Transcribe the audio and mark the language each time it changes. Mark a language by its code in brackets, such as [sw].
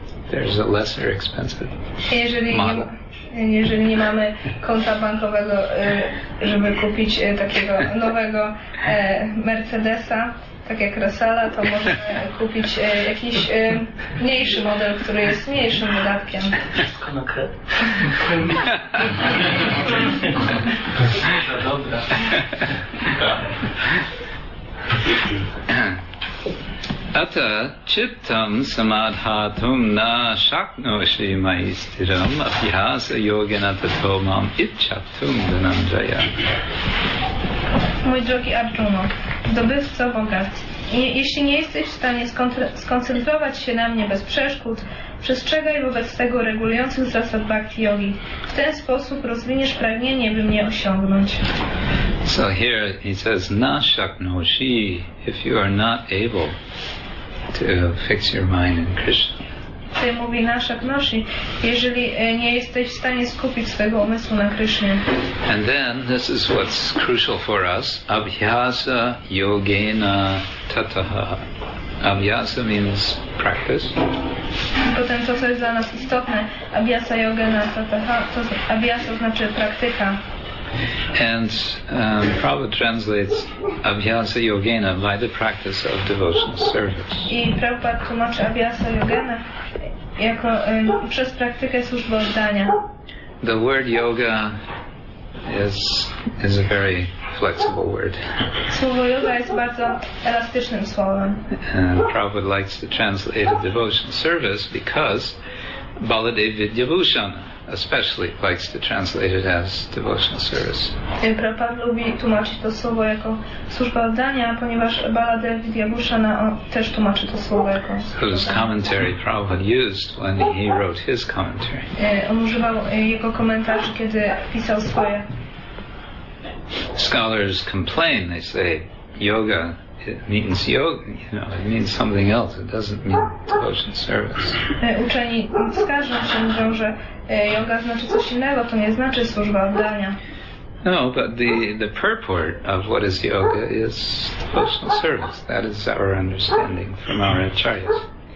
[en] There's a lesser expensive model. [pl] Jeżeli nie mamy konta bankowego, żeby kupić takiego nowego Mercedesa, tak jak Rosala, to możemy kupić jakiś mniejszy model, który jest mniejszym wydatkiem. Wszystko na kredyt. [sa] Ata chittam samadhatum na shaknoshi maistiram abhyasa yogena tatomam icchatum dhananjaya. [pl] Mój drogi Arjuno, zdobywco bogactw, jeśli nie jesteś w stanie skoncentrować się na mnie bez przeszkód, Przestrzegaj wobec tego regulujących zasad bhakti yogi. W ten sposób rozwiniesz pragnienie, by mnie osiągnąć. [en] So here he says, [sa] na shaknoshi, [en] if you are not able to fix your mind in Krishna. [pl] Tutaj mówi [sa] na shaknoshi, [pl] jeżeli nie jesteś w stanie skupić swego umysłu na Krishnie. [en] And then, this is what's crucial for us, [sa] abhyasa yogena tataha. [en] Abhyasa means practice. [pl] Potem to, co jest dla nas istotne, [sa] abhyasa yogena tataha, [pl] to abhyasa znaczy praktyka. [en] And Prabhupada translates [sa] abhyasa yogena [en] by the practice of devotional service. [pl] I Prabhupada tłumaczy [sa] abhyasa yogena [pl] jako przez praktykę służby oddania. [en] The word yoga is a very flexible word. [pl] Słowo yoga jest bardzo elastycznym słowem. [en] Prabhupada likes to translate a devotional service because Baladev Vidyabhushana especially likes to translate it as devotional service. [pl] Prabhupada lubi tłumaczyć to słowo jako służba oddania, ponieważ Baladev Vidyabhushana też tłumaczy to słowo jako [en] whose commentary Prabhupada used when he wrote his commentary. [pl] On używał jego komentarzy, kiedy pisał swoje. [en] Scholars complain, they say, yoga, it means yoga, you know, it means something else, it doesn't mean devotional service. [pl] Uczeni skarżą się, mówią, że yoga znaczy coś innego, to nie znaczy służba oddania. [en] No, but the purport of what is yoga is devotional service. That is our understanding from our acharyas.